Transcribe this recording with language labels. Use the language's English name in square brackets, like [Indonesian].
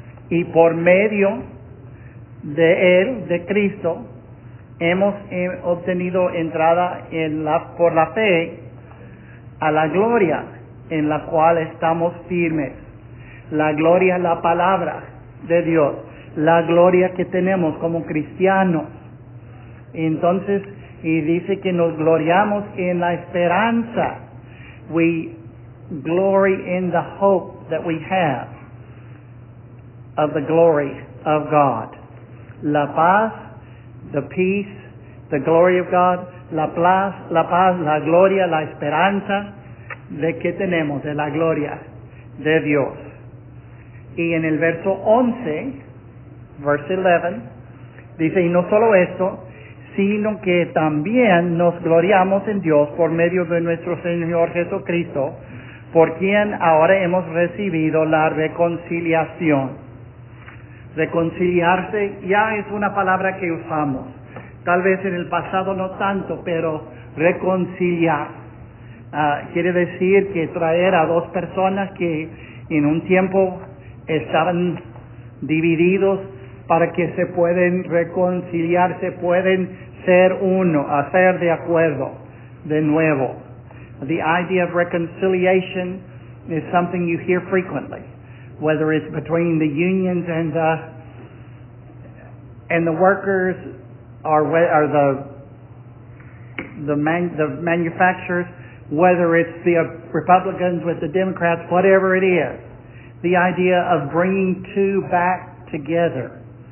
[Spanish] Y por medio de Él, de Cristo, hemos obtenido entrada por la fe a la gloria en la cual estamos firmes. La gloria es la palabra de Dios. La gloria que tenemos como cristianos. Entonces, y dice que nos gloriamos en la esperanza. [English] We glory in the hope that we have of the glory of God. [Spanish] La paz, [English] the peace, the glory of God, [Spanish] la paz, la gloria, la esperanza de que tenemos, de la gloria de Dios. Y en el verso 11, [English] verse 11, [Spanish] dice, y no solo esto, sino que también nos gloriamos en Dios por medio de nuestro Señor Jesucristo, por quien ahora hemos recibido la reconciliación. Reconciliarse ya es una palabra que usamos. Tal vez en el pasado no tanto, pero reconciliar quiere decir que traer a dos personas que en un tiempo estaban divididos para que se pueden reconciliar, se pueden ser uno, hacer de acuerdo de nuevo. [English] The idea of reconciliation is something you hear frequently, whether it's between the unions and the workers or the manufacturers, whether it's the Republicans with the Democrats, whatever it is, the idea of bringing two back together.